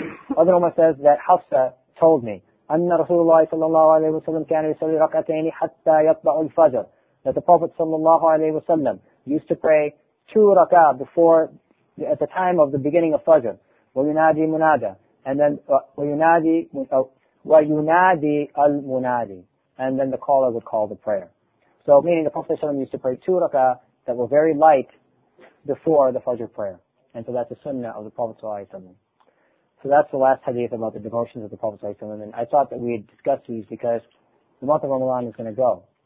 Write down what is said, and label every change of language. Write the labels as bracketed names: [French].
[English] Ibn Umar says that Hafsa told me, [Arabic] أَنَّ رَسُولُ اللَّهِ صَلَّى اللَّهُ عَلَيْهِ وَسَلَّمْ كَانَ يُسَلِّي رَكْعَتَيْنِ حَتَّى يَطْبَعُ الْفَجْرِ. [English] That the Prophet صلى الله عليه وسلم used to pray two rak'ah before, at the time of the beginning of Fajr. [Arabic] وَيُنَادِي مُنَادَى. [English] And then, [Arabic] وَيُنَادِي وَيُنَادِي الْمُنَادِي. [English] And then the caller would call the prayer. So, meaning the Prophet ﷺ used to pray two rak'ah that were very light before the Fajr prayer. And so that's the sunnah of the Prophet ﷺ. So that's the last hadith about the devotions of the Prophet ﷺ. And I thought that we had discussed these because the month of Ramadan is going to go.